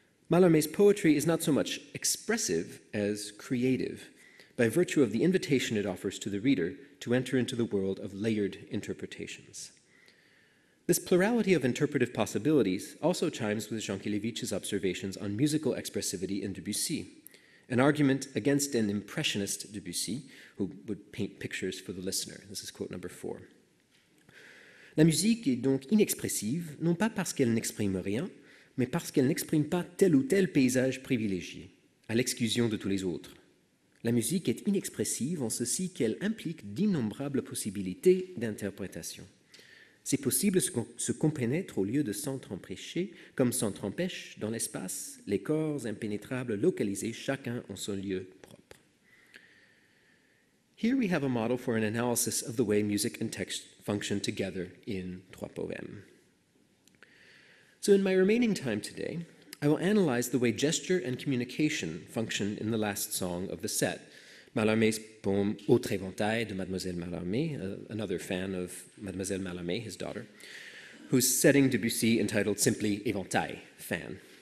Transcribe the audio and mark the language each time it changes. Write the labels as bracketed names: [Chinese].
[English] Mallarmé's poetry is not so much expressive as creative, by virtue of the invitation it offers to the reader to enter into the world of layered interpretations. This plurality of interpretive possibilities also chimes with Jankélévitch's observations on musical expressivity in Debussy, an argument against an impressionist Debussy who would paint pictures for the listener. This is quote number four. [French] La musique est donc inexpressive, non pas parce qu'elle n'exprime rien, mais parce qu'elle n'exprime pas tel ou tel paysage privilégié, à l'exclusion de tous les autres. La musique est inexpressive en ceci qu'elle implique d'innombrables possibilités d'interprétation. C'est possible se compénètre au lieu de s'entrempêcher, comme s'entrempêche dans l'espace les corps impénétrables localisés chacun en son lieu propre. [English] Here we have a model for an analysis of the way music and text function together in Trois Poèmes. So in my remaining time today, I will analyze the way gesture and communication function in the last song of the set, Mallarmé's poem Autre éventail de Mademoiselle Mallarmé, another fan of Mademoiselle Mallarmé, his daughter, whose setting Debussy entitled simply Éventail, fan.